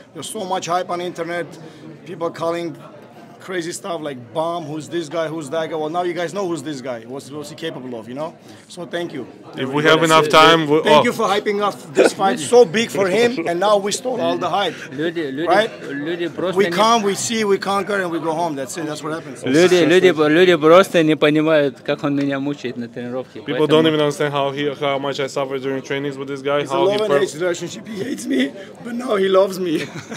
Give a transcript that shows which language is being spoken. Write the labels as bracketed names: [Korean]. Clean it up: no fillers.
[English] There's so much hype on the internet, people calling crazy stuff like bomb, who's this guy, who's that guy. Well, now you guys know who's this guy, what's he capable of, you know? So thank you. If we have enough time, thank you for hyping up this fight so big for him, and now we stole all the hype. [Russian] Люди, [English] we come, we see, we conquer, and we go home. That's it, that's what happens. [Russian] Люди просто не понимают, как он меня мучает на тренировке. [English] People don't even understand how much I suffer during trainings with this guy. It's a love-and-hate relationship. He hates me, but now he loves me.